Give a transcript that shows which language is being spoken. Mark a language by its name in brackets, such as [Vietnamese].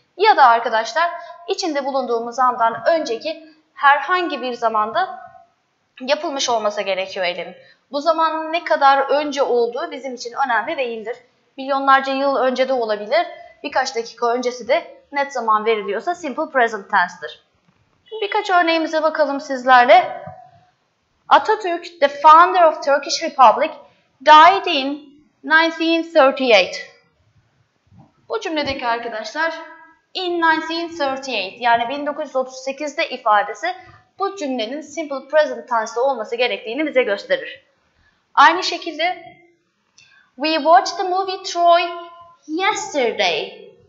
[Turkish] Ya da arkadaşlar içinde bulunduğumuz andan önceki herhangi bir zamanda yapılmış olması gerekiyor elim. Bu zaman ne kadar önce olduğu bizim için önemli değildir. Milyonlarca yıl önce de olabilir. Birkaç dakika öncesi de net zaman veriliyorsa simple present tense'dir. Birkaç örneğimize bakalım sizlerle. [English] Atatürk, the founder of Turkish Republic, died in 1938. [Turkish] Bu cümledeki arkadaşlar, [English] in 1938, [Turkish] yani 1938'de ifadesi bu cümlenin simple present tense olması gerektiğini bize gösterir. Aynı şekilde, [English] we watched the movie Troy yesterday.